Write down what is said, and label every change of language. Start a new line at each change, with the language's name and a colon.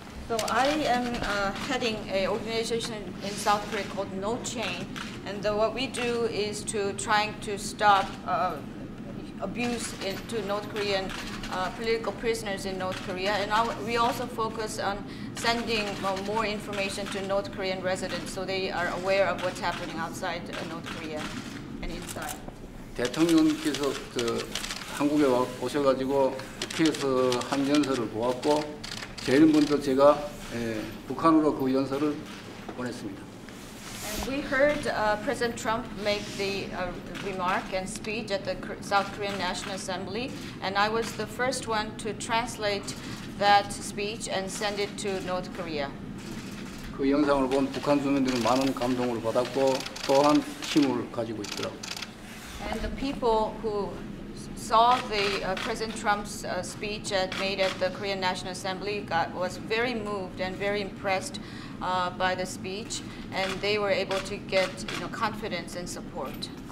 English: So I am heading an organization in South Korea called No Chain, and what we do is to trying to stop abuse to North Korean political prisoners in North Korea, and we also focus on sending more information to North Korean residents so they are aware of what's happening outside North Korea and inside.
Korean: 대통령께서 그 한국에 오셔가지고 국회에서 한 연설을 보았고. 제일 먼저 제가 북한으로 그 연설을 보냈습니다.
English: And we heard President Trump make the remark and speech at the South Korean National Assembly, and I was the first one to translate that speech and send it to North Korea.
Korean: 그 영상을 본 북한 주민들은 많은 감동을 받았고 또한 힘을 가지고 있더라고.
English: And the people who saw the President Trump's speech made at the Korean National Assembly was very moved and very impressed by the speech, and they were able to get confidence and support.